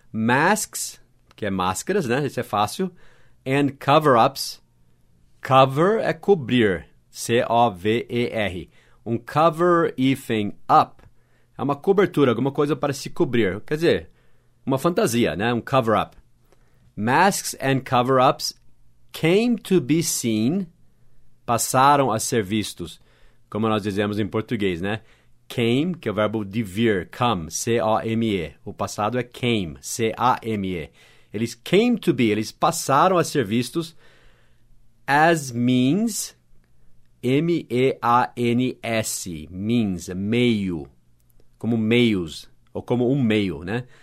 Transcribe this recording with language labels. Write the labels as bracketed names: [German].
[Portuguese] Masks, que é máscaras, né? Isso é fácil. [English] And cover-ups. [Portuguese] Cover é cobrir, C-O-V-E-R. Um cover hífen up. É uma cobertura, alguma coisa para se cobrir. Quer dizer, uma fantasia, né? Um cover-up. [English] Masks and cover-ups came to be seen. [Portuguese] Passaram a ser vistos. Como nós dizemos em português, né? Came, que é o verbo de vir. Come, C-O-M-E. O passado é came, C-A-M-E. Eles [English] came to be, [Portuguese] eles passaram a ser vistos [English] as means, [Portuguese] M-E-A-N-S, means, meio, como meios, ou como um meio, né?